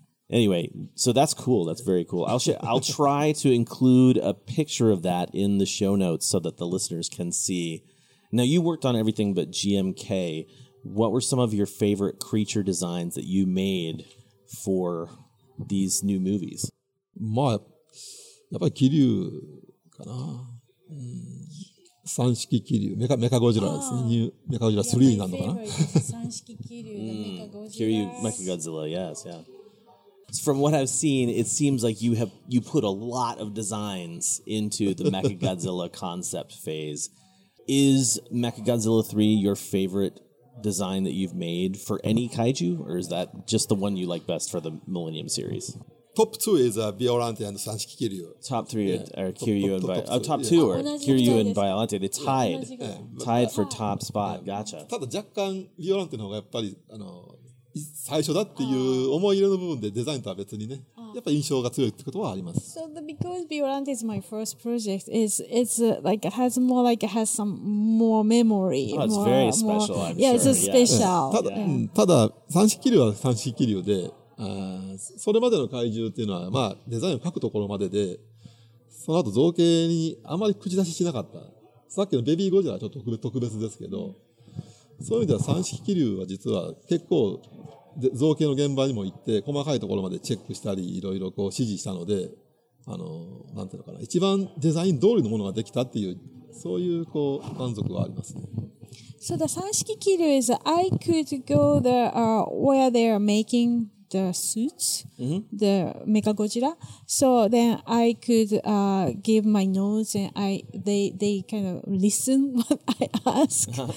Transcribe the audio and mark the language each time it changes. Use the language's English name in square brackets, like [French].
[English] Anyway, so that's cool. That's very cool. I'll try to include a picture of that in the show notes so that the listeners can see. Now, you worked on everything but GMK. What were some of your favorite creature designs that you made for these new movies? [Japanese] やっぱりキリュウかな、三式キリュウ、メカゴジラですね。メカゴジラ3なのかな。三式キリュウ [English] でメカゴジラ。キリュウ、メカゴジラ、yes, yeah. From what I've seen, it seems like you put a lot of designs into the Mechagodzilla concept phase. Is Mechagodzilla 3 your favorite design that you've made for any kaiju, or is that just the one you like best for the Millennium series? Top two is Violante and Sanshiki Kiryu. Top three are Kiryu and Violante. Top two are Kiryu and Violante. They tied for top spot. Gotcha. [Japanese] ただ若干 Violante の方がやっぱり最初だっていう思い入れの部分でデザインとは別にね、やっぱ印象が強いってことはあります。 [English] So because Violante is my first project, it's like has more like has some more memory. Oh, it's very special. Yeah, it's special. [Japanese] ただ Sanshiki Kiryu は Sanshiki Kiryu で。それまでの怪獣っていうのは、まあ、デザインを描くところまでで、その後造形にあまり口出ししなかった。さっきのベビーゴジラはちょっと特別ですけど、そういう意味では三色気流は実は結構造形の現場にも行って、細かいところまでチェックしたり、いろいろこう指示したので、なんていうのかな、一番デザイン通りのものができたっていう、そういうこう満足はありますね。 [English] So the 三色気流 is I could go there, where they are making the suits, the Mechagodzilla. So then I could give my notes and they kind of listen what I ask.